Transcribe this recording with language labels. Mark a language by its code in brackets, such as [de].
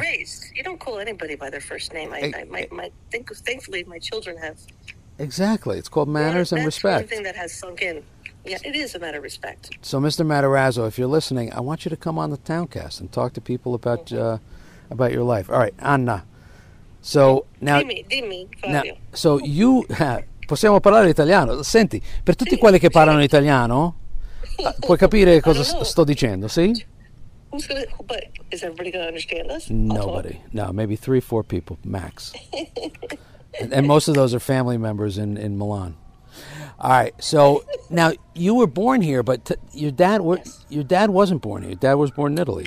[en] Well, you don't call anybody by their first name. Thankfully, my children have. Exactly. It's called manners and respect. That's one thing that has sunk in. Yeah, it is a matter of respect. So, Mr. Matarazzo, if you're listening, I want you to come on the Towncast and talk to people about your life. All right, Anna. So now, [it] dimmi, [en] so you [it] possiamo parlare italiano. Senti, per tutti quelli che parlano italiano, puoi capire cosa sto dicendo, sì? [en] But is everybody going to understand us? Nobody. No, maybe 3-4 people max. and most of those are family members in Milan. All right, so now you were born here, but your dad wasn't born here. Your dad was born in Italy.